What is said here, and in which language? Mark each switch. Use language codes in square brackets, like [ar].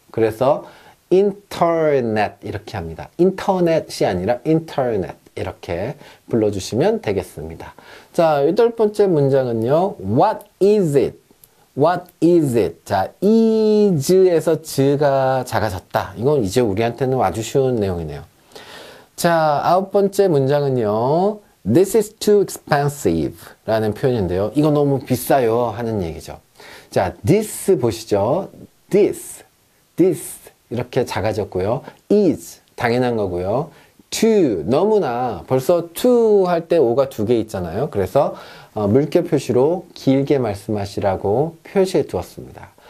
[ko] 그래서 인터넷 이렇게 합니다. 인터넷이 아니라 인터넷 이렇게 불러주시면 되겠습니다. 자, 여덟 번째 문장은요. [en] What is it? What is it? [ko] 자, is에서 z가 작아졌다. 이건 이제 우리한테는 아주 쉬운 내용이네요. 자, 아홉 번째 문장은요. [en] This is too expensive [ko] 라는 표현인데요. 이거 너무 비싸요 하는 얘기죠. 자, this 보시죠. This 이렇게 작아졌고요. is 당연한 거고요. to 너무나 벌써 to 할 때 o가 두 개 있잖아요. 그래서 물결 표시로 길게 말씀하시라고 표시해 두었습니다.